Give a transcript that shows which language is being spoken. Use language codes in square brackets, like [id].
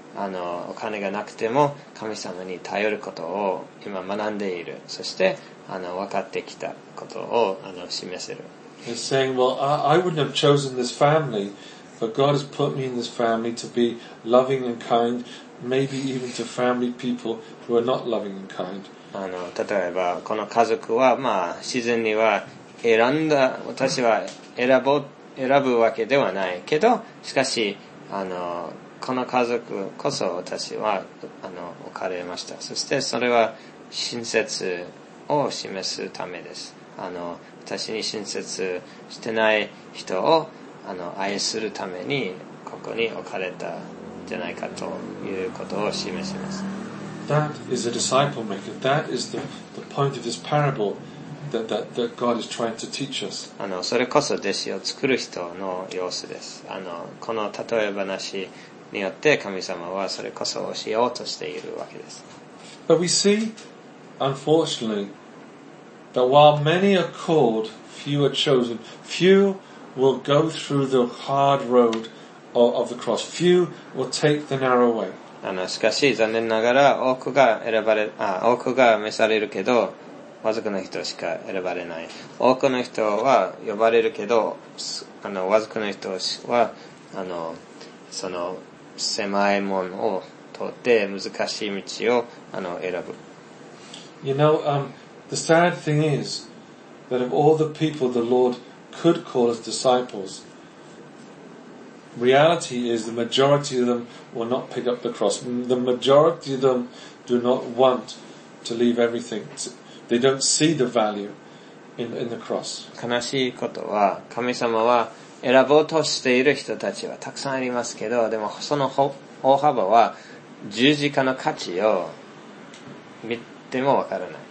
[ja] お金がなくても神様に頼ることを今学んでいる。そして分かってきたことを示せる。 [en] He's saying, well, I wouldn't have chosen this family, but God has put me in this family to be loving and kind, maybe even to family people who are not loving and kind. [ja] 例えばこの家族は自然には選んだ、私は選ぶわけではないけど、しかしこの家族こそ私は置かれました。そしてそれは親切を示すためです。私に親切してない人を愛するためにここに置かれたじゃないかということを示します。 [en] That is a disciple maker. That is the point of this parable that God is trying to teach us. [ja] それこそ弟子を作る人の様子です。この例え話によって神様はそれこそ教えようとしているわけです。 [en] But we see, unfortunately, that while many are called, few are chosen. Few will go through the hard road of the cross. Few will take the narrow way. [ja] しかし残念ながら多くが召されるけど、わずかな人しか選ばれない。多くの人は呼ばれるけど、わずかな人はその狭いものを通って難しい道を選ぶ。 [en] You know, the sad thing is that of all the people the Lord could call as disciples, reality is the majority of them will not pick up the cross. The majority of them do not want to leave everything. They don't see the value in the cross. [ja] 悲しいことは、神様は選ぼうとしている人たちはたくさんありますけど、でもその大幅は十字架の価値を見てもわからない。